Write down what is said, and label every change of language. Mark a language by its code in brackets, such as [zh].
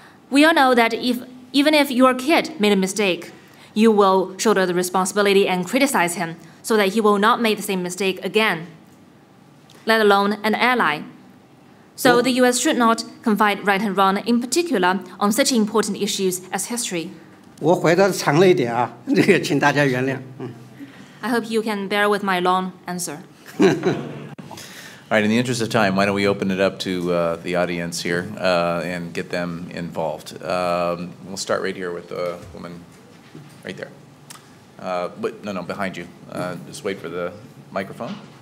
[en] We all know that even if your kid made a mistake, you will shoulder the responsibility and criticize him so that he will not make the same mistake again, let alone an ally. So the U.S. should not confide right and wrong in particular on such important issues as history. [zh] 我回答的长了一点啊，这个请大家原谅。 [en] I hope you can bear with my long answer. All right, in the interest of time, why don't we open it up to the audience here and get them involved. We'll start right here with the woman right there. No, behind you. Just wait for the microphone.